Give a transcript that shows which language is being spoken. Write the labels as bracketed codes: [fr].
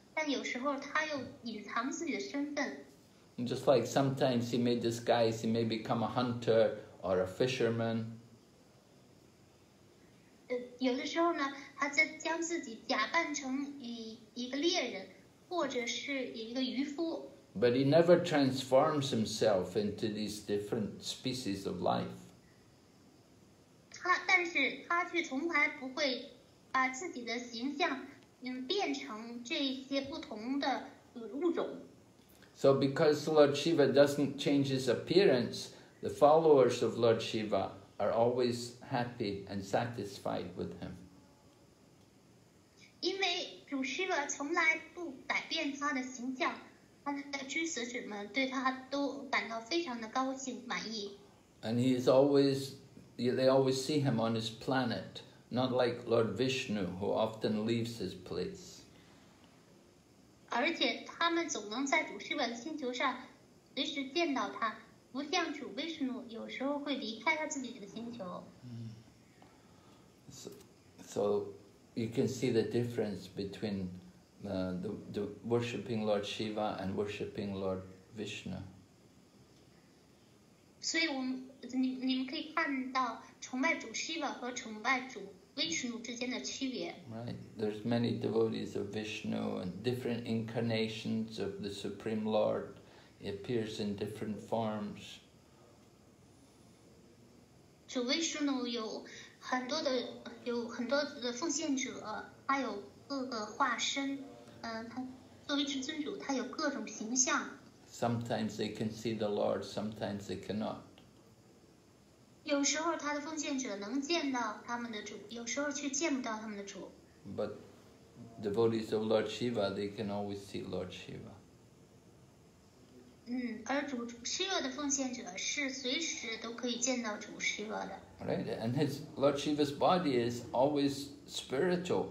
[zh] 但有时候他又隐藏自己的身份。 [en] And just like sometimes he may disguise, he may become a hunter or a fisherman. [zh] 有的时候呢，他在将自己假扮成一个猎人，或者是一个渔夫。 [en] But he never transforms himself into these different species of life. [zh] 但是他却从来不会把自己的形象，变成这些不同的物种。 [en] So, because Lord Shiva doesn't change his appearance, the followers of Lord Shiva are always happy and satisfied with him. [zh] 因为主 Shiva 从来不改变他的形象，他的支持者们对他都感到非常的高兴满意。 [en] And he is always, they always see him on his planet, not like Lord Vishnu, who often leaves his place. [zh] 而且他们总能在主 Shiva 的星球上随时见到他，不像主 Vishnu 有时候会离开他自己的星球。 [en] So, you can see the difference between the worshipping Lord Shiva and worshipping Lord Vishnu. [zh] 所以你们可以看到崇拜主 Shiva 和崇拜主 Vishnu 之间的区别。 [en] Right, there's many devotees of Vishnu and different incarnations of the Supreme Lord. It appears in different forms. [zh] 主 Vishnu 有很多的奉献者，他有各个化身，他作为至尊主，他有各种形象。 [en] Sometimes they can see the Lord, sometimes they cannot. [zh] 有时候他的奉献者能见到他们的主，有时候却见不到他们的主。 [en] But devotees of Lord Shiva, they can always see Lord Shiva. [zh] 而主 Shiva 的奉献者是随时都可以见到主 Shiva 的。 [en] Right, and Lord Shiva's body is always spiritual.